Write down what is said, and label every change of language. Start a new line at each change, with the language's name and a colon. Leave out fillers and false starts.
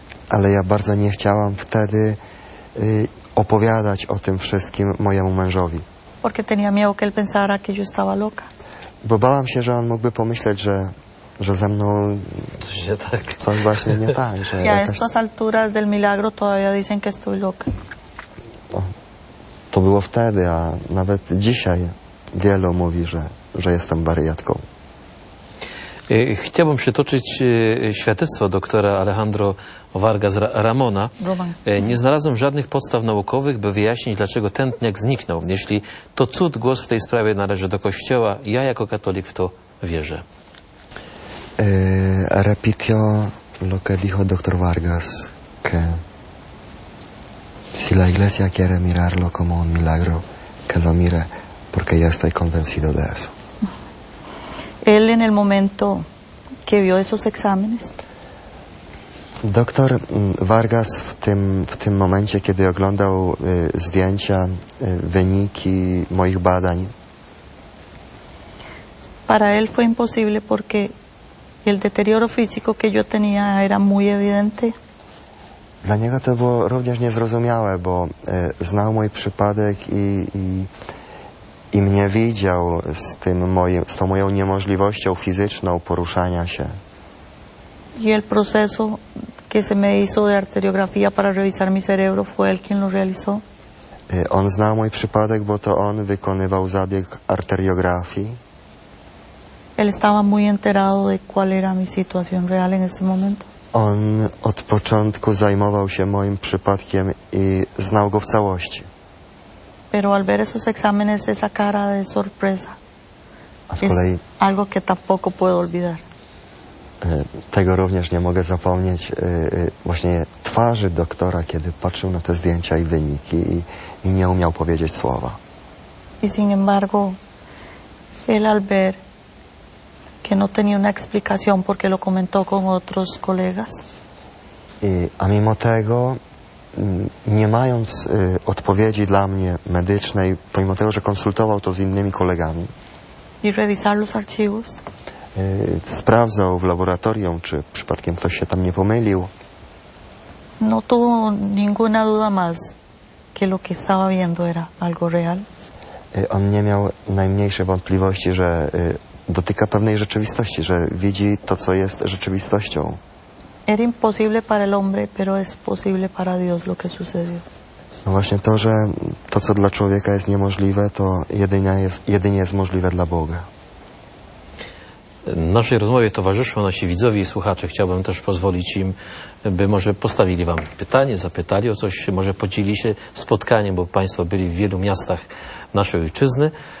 Polish: Ale ja bardzo nie chciałam wtedy opowiadać o tym wszystkim mojemu mężowi.
Spanish: Porque tenía miedo que él pensara que yo estaba loca.
Polish: Bo bałam się, że on mógłby pomyśleć, że ze mną coś, się tak. Coś właśnie nie tak. Że ja jakaś...
Spanish: estas alturas del milagro todavía dicen que estoy loca.
Polish: To było wtedy, a nawet dzisiaj wielu mówi, że jestem wariatką. Chciałbym przytoczyć świadectwo doktora Alejandro Vargas Ramona. Nie znalazłem żadnych podstaw naukowych, by wyjaśnić, dlaczego tętniak zniknął. Jeśli to cud, głos w tej sprawie należy do Kościoła, ja jako katolik w to wierzę.
Spanish: Repitió lo que dijo el doctor Vargas, que si la iglesia quiere mirarlo como un milagro, que lo mire, porque ya estoy convencido de eso. Él en el momento que vio esos exámenes.
Polish: Doctor Vargas w tym momencie, kiedy oglądał zdjęcia, wyniki moich badań.
Spanish: Para él fue imposible porque el deterioro físico que yo tenía era muy evidente.
Polish: Dla niego to było również niezrozumiałe, bo znał mój przypadek i mnie widział z tą moją niemożliwością fizyczną poruszania się.
Spanish: Y el proceso que se me hizo de arteriografía para revisar mi cerebro fue el quien lo realizó.
Polish: On zná můj případek, bo to on vykonyval záběh arteriografii.
Spanish: Él estaba muy enterado de cuál era mi situación real en ese momento.
Polish: On od początku zajmował się moim przypadkiem i znał go w całości.
Spanish: Pero al ver esos exámenes, esa cara de sorpresa, es algo que tampoco puedo olvidar.
Polish: Tego również nie mogę zapomnieć, właśnie twarzy doktora, kiedy patrzył na te zdjęcia i wyniki i nie umiał powiedzieć słowa.
Spanish: Y sin embargo, él al ver que no tenía una explicación porque lo comentó con otros colegas.
Polish: A mimo tego, nie mając odpowiedzi dla mnie medycznej, pomimo tego, że konsultował to z innymi kolegami.
Spanish: Y revisar los archivos.
Polish: Sprawdzał w laboratorium, czy przypadkiem ktoś się tam nie pomylił.
Spanish: No tuvo ninguna duda más que lo que estaba viendo era algo real.
Polish: On nie miał najmniejszej wątpliwości, że dotyka pewnej rzeczywistości, że widzi to, co jest rzeczywistością.
Spanish: Era imposible para el hombre, pero es posible para Dios lo que sucedió.
Polish: No właśnie to, że to, co dla człowieka jest niemożliwe, to jedynie jest możliwe dla Boga. Naszej rozmowie towarzyszą nasi widzowie i słuchacze. Chciałbym też pozwolić im, by może postawili wam pytanie, zapytali o coś, może podzielili się spotkaniem, bo państwo byli w wielu miastach naszej ojczyzny.